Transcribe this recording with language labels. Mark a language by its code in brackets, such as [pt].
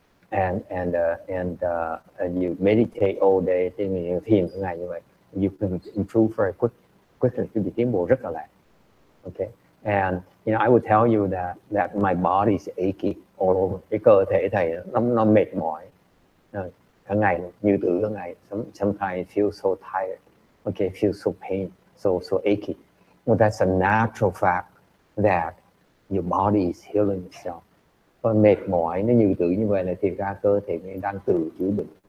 [en] And you meditate all day, then you [vi] thiền cả ngày như vậy. [en] You can improve very quickly. [vi] Quý vị tiến bộ rất là lẹ. [en] Okay. And you know, I would tell you that my body is achy all over. [vi] Cái cơ thể thầy nó mệt mỏi. Cả ngày như tử cả ngày. [en] Sometimes I feel so tired. Okay. Feel so pain. So achy. Well, that's a natural fact that your body is healing itself. [vi] Và mệt mỏi nó như tự như vậy là thì ra cơ thể nó đang tự chữa bệnh.